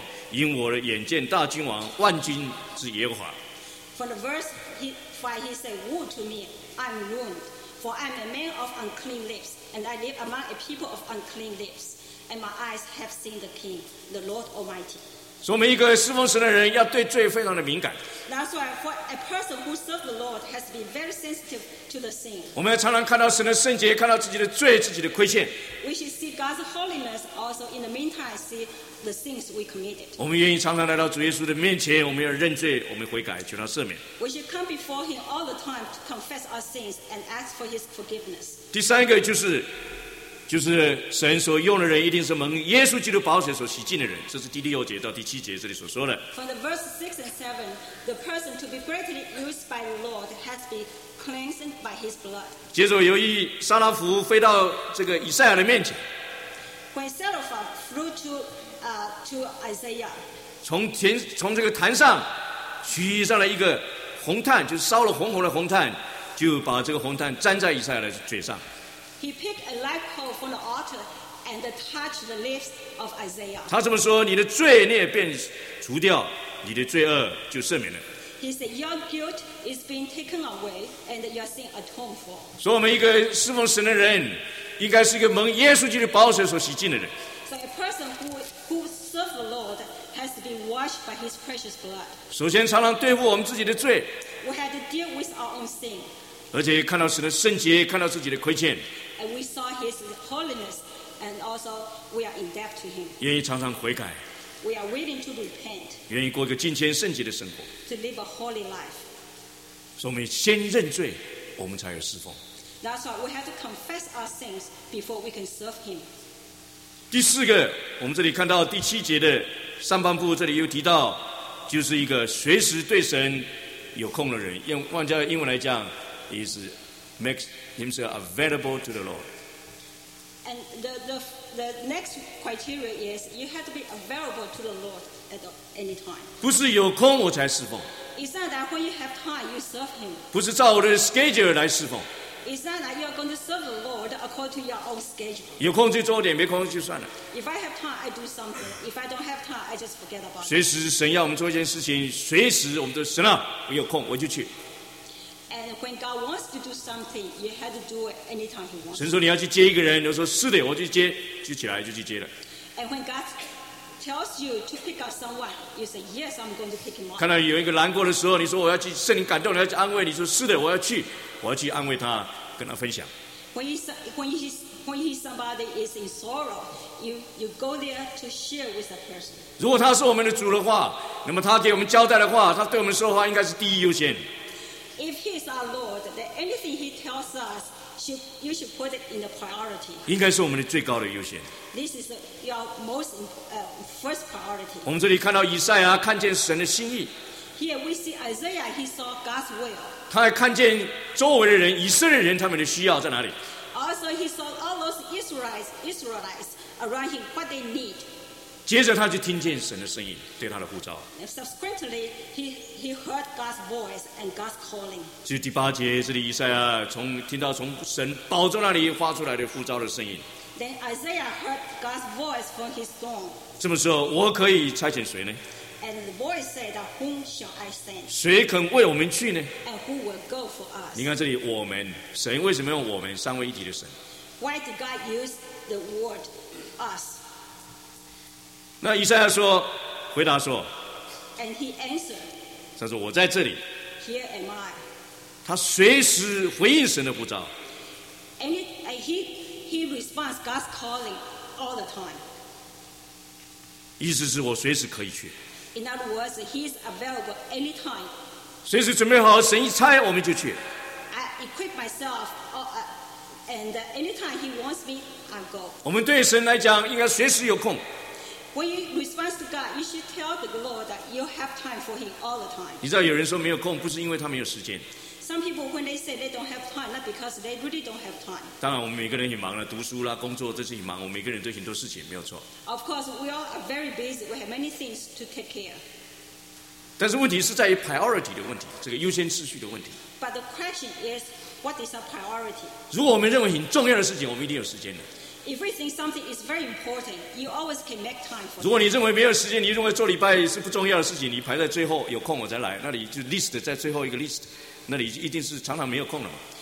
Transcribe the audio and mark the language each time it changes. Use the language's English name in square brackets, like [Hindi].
[Chinese] 于是在第5节,他这么自己对自己这么说,他说,祸哉我灭亡了,因为我是嘴唇不洁的人,又住在嘴唇不洁的民众,因我眼见大君王万军之耶和华。 [English] From the verse 5, he said, woe to me, I'm ruined. For I am a man of unclean lips, and I live among a people of unclean lips, and my eyes have seen the King, the Lord Almighty. [Chinese] 所以我们一个侍奉神的人要对罪非常的敏感。 [English] That's why for a person who serves the Lord has to be very sensitive to the sin. [Chinese] 我们要常常看到神的圣洁，看到自己的罪、自己的亏欠。 [English] We should see God's holiness also in the meantime see the sins we committed. [Chinese] 我们愿意常常来到主耶稣的面前，我们要认罪，我们悔改，求他赦免。 [English] We should come before Him all the time to confess our sins and ask for His forgiveness. [Chinese] 第三个就是神所用的人一定是蒙耶稣基督宝血所洗净的人，这是第6节到第7节这里所说的。 [English] From the verse 6 and 7, the person to be greatly used by the Lord has been cleansed by his blood. [Chinese] 接着由于撒拉弗飞到这个以赛亚的面前。 [English] When Seraphim flew to to Isaiah. [Chinese] 从这个坛上举上了一个红炭，就是烧了红红的红炭，就把这个红炭粘在以赛亚的嘴上。 [English] He picked a live coal from the altar and touched the lips of Isaiah. [Chinese] 他这么说：你的罪孽便除掉，你的罪恶就赦免了。 [English] He said, "Your guilt is being taken away, and your sin atoned for." [Chinese] 说我们一个侍奉神的人，应该是一个蒙耶稣基督宝血所洗净的人。 [English] So a person who serves the Lord has to be washed by His precious blood. [Chinese] 首先，常常对付我们自己的罪。 [English] We had to deal with our own sin. [Chinese] 而且看到神的圣洁，看到自己的亏欠。 [English] And we saw His holiness, and also we are in debt to Him. [Chinese] 愿意常常悔改。 [English] We are willing to repent. [Chinese] 愿意过一个敬虔圣洁的生活。 [English] To live a holy life. [Chinese] 所以我们先认罪，我们才有侍奉。 [English] That's why we have to confess our sins before we can serve Him. [Chinese] 第四个，我们这里看到第七节的上半部，这里又提到，就是一个随时对神有空的人。用换句英文来讲 [English] ，is makes himself available to the Lord. And the next criteria is you have to be available to the Lord at any time. [Chinese] 不是有空我才侍奉。 [English] It's not that when you have time you serve Him. [Chinese] 不是照我的 schedule 来侍奉。 [English] It's not that you are going to serve the Lord according to your own schedule. [Chinese] 有空就做点，没空就算了。 [English] If I have time, I do something. If I don't have time, I just forget about it. [Chinese] 随时神要我们做一件事情，随时我们都神啊，我有空我就去。 [English] And when God wants to do something, you have to do it anytime He wants. [Chinese] 神说你要去接一个人，你说是的，我去接，就起来就去接了。 [English] And when God tells you to pick up someone, you say yes, I'm going to pick him up. [Chinese] 看到有一个难过的时候，你说我要去，圣灵感动，你要去安慰，你说是的，我要去。我要去安慰他，跟他分享。 [English] When he somebody is in sorrow, you go there to share with that person. [Chinese] 如果他是我们的主的话，那么他给我们交代的话，他对我们说的话应该是第一优先。 [English] If he is our Lord, then anything he tells us, you should put it in the priority. [Chinese] 应该是我们的最高的优先。 [English] This is your most first priority. [Chinese] 我们这里看到以赛亚看见神的心意。 [English] Here we see Isaiah. He saw God's will. [Chinese] 他还看见周围的人，以色列人他们的需要在哪里。 [English] Also, he saw all those Israelites around him, what they need. [Chinese] 接着他就听见神的声音，对他的呼召。 [English] Subsequently, he heard God's voice and God's calling. [Chinese] 就第八节，这里以赛亚从听到从神宝座那里发出来的呼召的声音。 [English] Then Isaiah heard God's voice from his throne. [Chinese] 这么说，我可以差遣谁呢？ [English] And the voice said, "Whom shall I send?" [Chinese] 谁肯为我们去呢 [English] ？And who will go for us? [Chinese] 你看这里，我们神为什么用我们三位一体的神 [English] ？Why did God use the word us? [Chinese] 那以赛亚说，回答说 [English] ，And he answered. [Chinese] 他说我在这里。 [English] Here am I. [Chinese] 他随时回应神的呼召。 [English] And he responds God's calling all the time. [Chinese] 意思是我随时可以去。 [English] In other words, he is available anytime. [Chinese] 随时准备好，神一差我们就去。 [English] I equip myself, and anytime he wants me, I go. [Chinese] 我们对神来讲，应该随时有空。 [English] When you respond to God, you should tell the Lord that you have time for him all the time. [Chinese] 你知道有人说没有空，不是因为他没有时间。 [English] Some people when they say they don't have time, not because they really don't have time. [Chinese] 当然，我们每个人也忙了，读书啦、工作这些也忙，我们每个人都很多事情，没有错。 [English] Of course, we all are very busy. We have many things to take care. [Chinese] 但是问题是在于 priority 的问题，这个优先次序的问题。 [English] But the question is, what is our priority? [Chinese] 如果我们认为很重要的事情，我们一定有时间的。 [English] If we think something is very important, you always can make time for it. [Chinese] 如果你认为没有时间，你认为做礼拜是不重要的事情，你排在最后，有空我再来，那里就 list 在最后一个 list。那里一定是常常没有空了嘛。